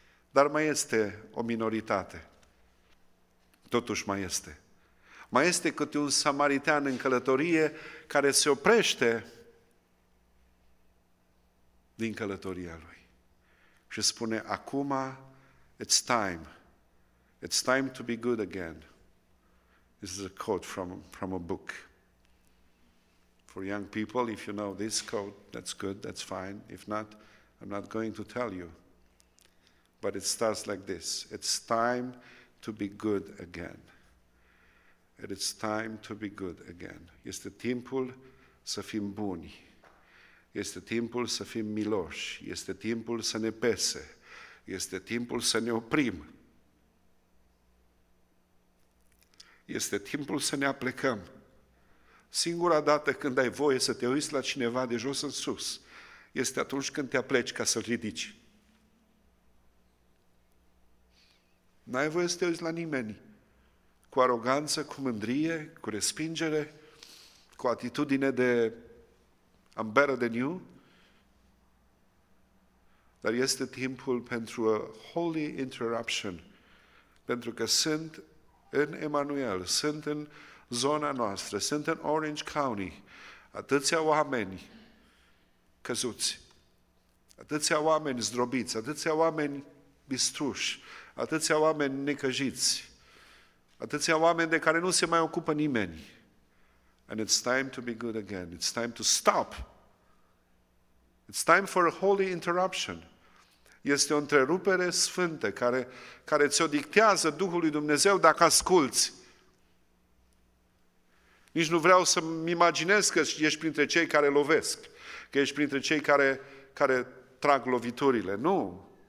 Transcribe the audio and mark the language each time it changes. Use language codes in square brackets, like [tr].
[ro] Dar mai este o minoritate. Totuși mai este. Mai este câte un samaritean în călătorie care se oprește din călătoria lui. Și spune, acum, [en] it's time. It's time to be good again. This is a quote from a book. For young people, if you know this quote, that's good, that's fine. If not, I'm not going to tell you. But it starts like this. It's time to be good again. And it's time to be good again. [ro] Este timpul să fim buni. Este timpul să fim miloși. Este timpul să ne pese. Este timpul să ne oprim. Este timpul să ne aplecăm. Singura dată când ai voie să te uiți la cineva de jos în sus, este atunci când te apleci ca să-l ridici. N-ai voie să te uiți la nimeni cu aroganță, cu mândrie, cu respingere, cu atitudine de [en] I'm better than you. [ro] Dar este timpul pentru [en] a holy interruption, [ro] pentru că sunt în Emmanuel, sunt în zona noastră, sunt în Orange County, atâția oameni căzuți, atâția oameni zdrobiți, atâția oameni bistruși, atâția oameni necăjiți, atâția oameni de care nu se mai ocupă nimeni. [en] And it's time to be good again. It's time to stop. It's time for a holy interruption. [ro] Este o întrerupere sfântă care ți-o dictează Duhul lui Dumnezeu dacă asculți. Nici nu vreau să-mi imaginez că ești printre cei care lovesc, că ești printre cei care trag loviturile. Nu.